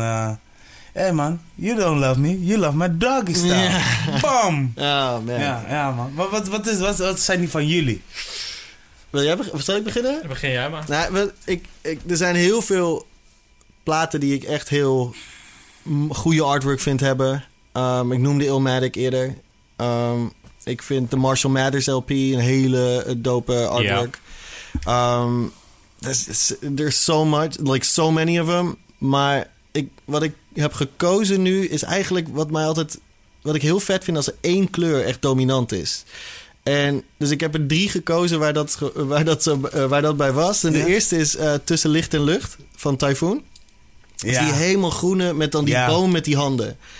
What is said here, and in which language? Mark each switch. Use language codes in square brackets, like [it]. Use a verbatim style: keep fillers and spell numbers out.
[en] Uh, hey man, you don't love me, you love my Doggy Style. Yeah. Bam! Oh, man. [nl] Ja, ja man. Maar wat, wat, is, wat, wat zijn die van jullie? Wil jij beg- Zal ik beginnen? Ja, begin jij maar. Nou, ik, ik, er zijn heel veel platen die ik echt heel goede artwork vind hebben. Um, ik noemde Illmatic eerder. Um, ik vind de Marshall Mathers L P een hele dope artwork. Yeah. [en] Um, there's, there's so much, like so many of them. [nl] Maar ik, wat ik heb gekozen nu is eigenlijk wat mij altijd... Wat ik heel vet vind als er één kleur echt dominant is. En dus ik heb er drie gekozen waar dat, waar dat, waar dat bij was. En de ja. eerste is uh, Tussen Licht en Lucht van Typhoon. Dus ja. die helemaal groene met dan die ja. boom met die handen.